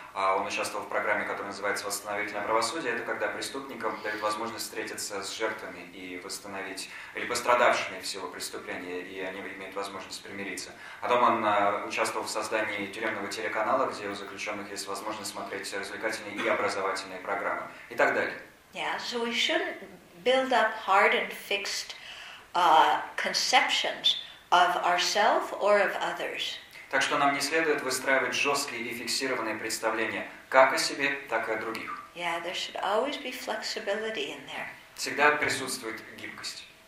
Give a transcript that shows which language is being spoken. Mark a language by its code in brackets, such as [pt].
[ru] Он участвовал в программе, которая называется «Восстановительное правосудие». Это когда преступникам дают возможность встретиться с жертвами и восстановить, или пострадавшими всего преступления, и они имеют возможность примириться. Потом он участвовал в создании тюремного телеканала, где у заключенных есть возможность смотреть развлекательные и образовательные программы, и так далее. [en] Yeah, so we shouldn't build up hard and fixed conceptions of ourselves or of others. [ru] Так что нам не следует выстраивать жесткие и фиксированные представления как о себе, так и о других. [en] Yeah, there should always be flexibility in there. [ru] Всегда присутствует гибкость.